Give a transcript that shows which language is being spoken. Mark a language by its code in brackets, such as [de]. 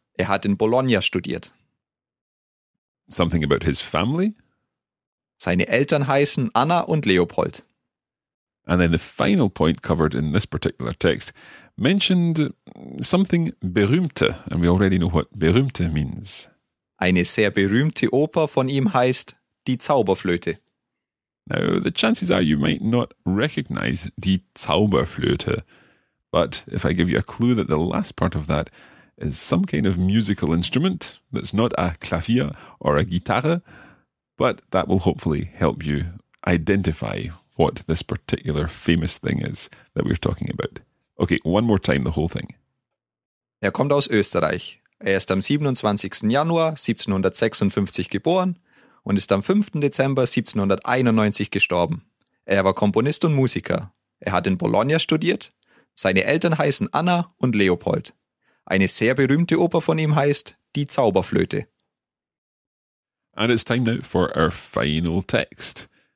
[de] Er hat in Bologna studiert. [en] Something about his family. [de] Seine Eltern heißen Anna und Leopold. [en] And then the final point covered in this particular text mentioned something berühmte, and we already know what berühmte means. [de] Eine sehr berühmte Oper von ihm heißt Die Zauberflöte. [en] Now, the chances are you might not recognize Die Zauberflöte, but if I give you a clue that the last part of that is some kind of musical instrument that's not a Klavier or a Gitarre, but that will hopefully help you identify what this particular famous thing is that we're talking about. Okay, one more time, the whole thing. [de] Er kommt aus Österreich. Er ist am 27. Januar 1756 geboren und ist am 5. Dezember 1791 gestorben. Er war Komponist und Musiker. Er hat in Bologna studiert. Seine Eltern heißen Anna und Leopold. Eine sehr berühmte Oper von ihm heißt Die Zauberflöte. [en] And it's time now for our final text.